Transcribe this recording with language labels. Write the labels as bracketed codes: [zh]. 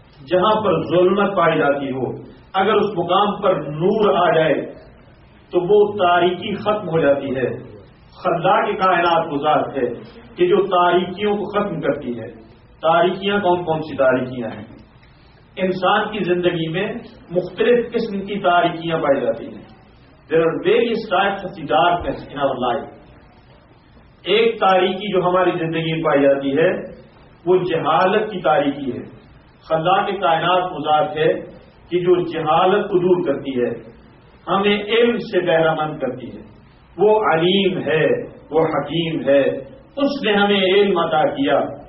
[ur] جہاں پر ظلمت پائی جاتی ہو, اگر اس مقام پر نور آ جائے تو وہ تاریکی ختم ہو جاتی ہے. خلاق کائنات وہ ذات ہے کہ جو تاریکیوں کو ختم کرتی ہے. تاریکیاں کون کون سی تاریکیاں ہیں؟ انسان کی زندگی میں مختلف قسم کی تاریکیاں پائی جاتی ہیں. [en] There are various types of darkness in our life. [ur] ایک تاریکی جو ہماری زندگی میں پائی جاتی ہے وہ جہالت کی تاریکی ہے. خلاق کائنات وہ ذات ہے کہ جو جہالت کو دور کرتی ہے, ہمیں علم سے بہرا مند کرتی ہے. وہ علیم ہے, وہ حکیم ہے, اس نے ہمیں علم عطا کیا.